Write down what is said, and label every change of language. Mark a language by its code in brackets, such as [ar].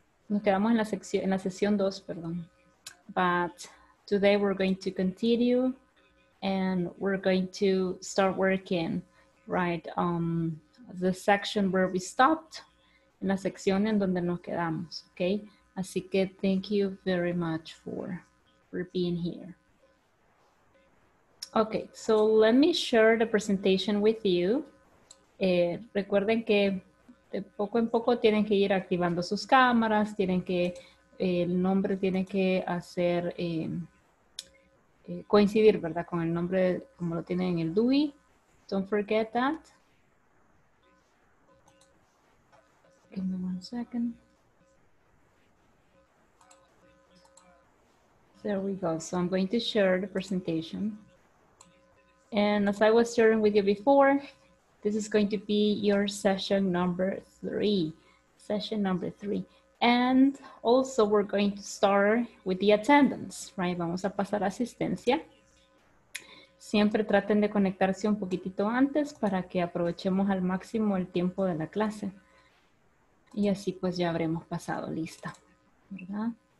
[es] Nos quedamos en la sección, en la sesión 2, perdón. [en] But today we're going to continue and we're going to start working, right? [es] The section where we stopped, en la sección en donde nos quedamos, okay? [en] Así que thank you very much for being here. Okay, so let me share the presentation with you. [es] Recuerden que de poco en poco tienen que ir activando sus cámaras, tienen que, el nombre tiene que hacer, coincidir, ¿verdad? Con el nombre como lo tienen en el DUI. [en] Don't forget that. Give me one second. There we go. So I'm going to share the presentation. And as I was sharing with you before, this is going to be your session number 3, session number 3. And also we're going to start with the attendance, right? [es] Vamos a pasar a asistencia. Siempre traten de conectarse un poquitito antes para que aprovechemos al máximo el tiempo de la clase. Y así pues ya habremos pasado lista, ¿verdad?